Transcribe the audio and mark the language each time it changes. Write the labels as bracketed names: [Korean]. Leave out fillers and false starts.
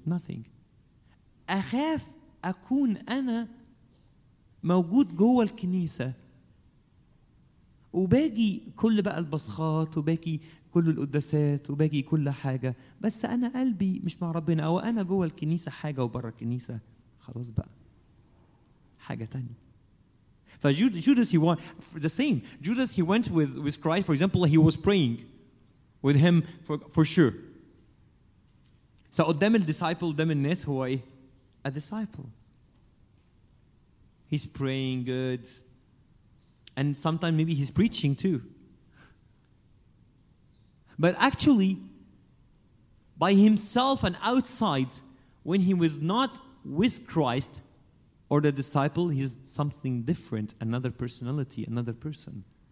[English] Nothing. [Arabic] أخاف أكون أنا موجود جوه الكنيسة وباقي كل بقى البصخات وباقي كل القداسات وباقي كل حاجة بس أنا قلبي مش مع ربنا أو أنا جوه الكنيسة حاجة وبره الكنيسة خلاص بقى حاجة تانية. [English] فجودس he went with Christ. For example, he was praying with him for sure. [Arabic] So قدام الديسايبل قدام الناس هو إيه؟ [English] A disciple. He's praying good. And sometimes maybe he's preaching too. But actually, by himself and outside, when he was not with Christ or the disciple, he's something different, another personality, another person.